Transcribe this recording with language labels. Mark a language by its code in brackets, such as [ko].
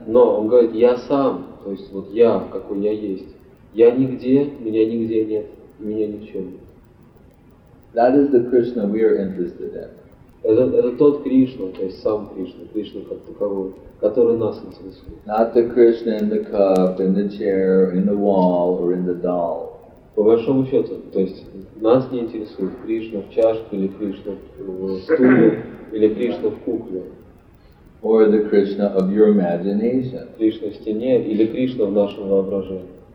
[ru] Но он говорит, я сам, то есть вот я, какой я есть. Я нигде, меня нигде нет, меня ничего нет. [en] That is the Krishna we are interested in. [ru] Это тот Кришна, то есть сам Кришна, Кришна как таковой, который нас интересует. [en] Not the Krishna in the cup, in the chair, in the wall, or in the doll. [ru] По большому счету, то есть нас не интересует Кришна в чашке, или Кришна в стуле, или Кришна в кукле. [en] Or the Krishna of your imagination. [ru] Кришна в стене, или Кришна в нашем воображении.